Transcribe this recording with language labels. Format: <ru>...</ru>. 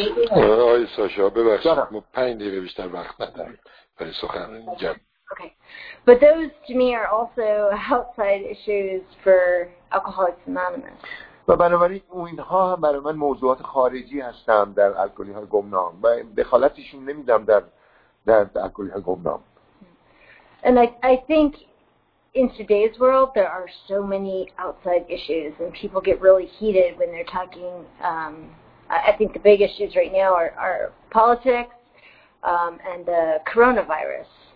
<fa>آقای ساشا ببخشید من 5 دقیقه بیشتر وقت ندارم برای سخنرانی جمع.</fa> <en>But those to me are also outside issues for Alcoholics Anonymous.</en> <fa>و بنابراین اونها هم برای من موضوعات خارجی هستن در الکلی های گمنام و دخالتشون نمیدم در الکلی های گمنام.</fa> <en>And I think in today's world there are so many outside issues and people get really heated when they're talking. I think the big issues right now are politics and the coronavirus.</en>